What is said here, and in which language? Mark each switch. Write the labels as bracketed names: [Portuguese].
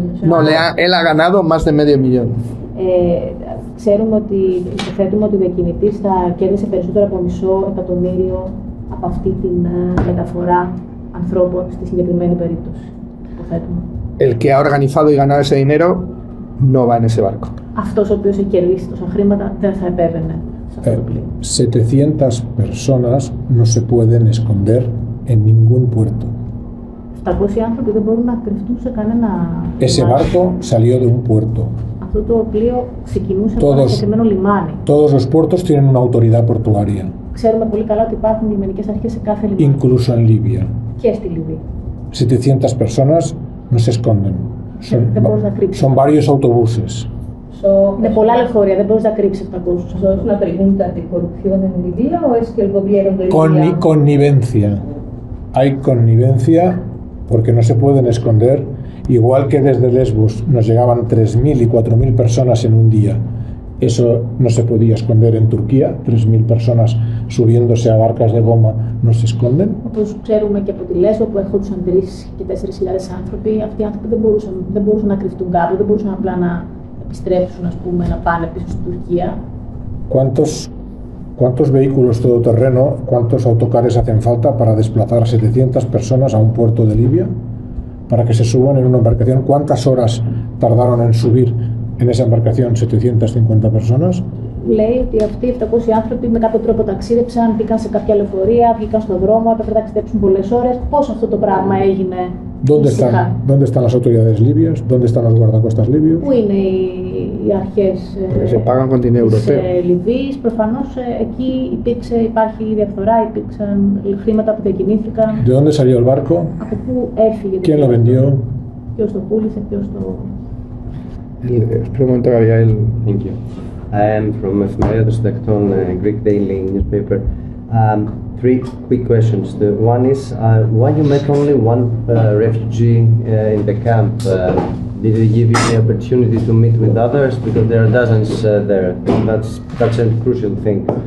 [Spanish] No, él ha ganado más de medio millón. [Greek] Ξέρουμε ότι υποθέτουμε ότι ο διακινητής θα κέρδισε περισσότερο από μισό εκατομμύριο από αυτή τη μεταφορά ανθρώπων στη συγκεκριμένη περίπτωση. Υποθέτουμε. [Spanish] El que ha organizado y ganado ese dinero no va en ese barco. Aquellos que han quedado sin [Greek] χρήματα [Spanish] no se atreven. 700 personas no se pueden esconder en ningún puerto. [Greek] 700 άνθρωποι δεν μπορούν να κρυφτούν σε κανένα. [Spanish] Ese barco salió de un puerto. [Greek] Αυτό το πλοίο ξεκινούσε από ένα συγκεκριμένο λιμάνι. [Spanish] Todos los puertos tienen una autoridad portuaria. [Greek] Ξέρουμε πολύ καλά ότι υπάρχουν λιμενικές αρχές σε κάθε λιμάνι. [Spanish] Incluso en Libia. [Greek] Και στη Λιβύη. [Spanish] 700 personas no se esconden. Son varios autobuses. [Greek] Είναι πολλά λεωφορεία, δεν μπορείς να κρύψεις τα κόστος. [Spanish] Es una pregunta de corrupción en Libia o es que el gobierno de Libia... Connivencia. Hay connivencia porque no se pueden esconder. Igual que desde Lesbos nos llegaban 3.000 y 4.000 personas en un día. Eso no se podía esconder en Turquía. 3.000 personas subiéndose a barcas de goma no se esconden. [Greek] Όπως ξέρουμε και από τη Λέσβο που έρχονταν 3 και 4.000 άνθρωποι, αυτοί οι άνθρωποι δεν μπορούσαν να κρυφτούν κάπου, δεν μπορούσαν απλά να επιστρέψουν, ας πούμε, να πάνε πίσω στην Τουρκία. [Spanish] ¿Cuántos vehículos todoterreno, cuántos autocares hacen falta para desplazar a 700 personas a un puerto de Libia? Para que se suban en una embarcación, ¿cuántas horas tardaron en subir en esa embarcación 750 personas? [Greek] Λέει ότι αυτοί οι 700 άνθρωποι με κάποιο τρόπο ταξίδεψαν, πήγαν σε κάποια λεωφορεία, βγήκαν στον δρόμο, έπρεπε να ταξιδέψουν πολλές ώρες. Πώς αυτό το πράγμα έγινε? [Spanish] ¿Dónde están las autoridades libias? ¿Dónde están los guardacostas libios? [Greek] Πού είναι οι αρχές? [Spanish] Porque se pagan con dinero europeo. [Greek] Σε Λιβύης, προφανώς εκεί υπάρχει διαφθορά, υπήρξαν χρήματα που διακινήθηκαν. [Spanish] ¿De dónde salió el barco? [Greek] ¿Από πού έφυγε? [Spanish] ¿Quién lo vendió? [Greek] Ποιος το πούλησε, ποιος το... [Spanish] Espera un momento, Gabriel. [English] Thank you. I am from Efmaiotis Dekton, a Greek daily newspaper. Three quick questions. The one is, why you met only one refugee in the camp? Did it give you the opportunity to meet with others? Because there are dozens there. That's a crucial thing.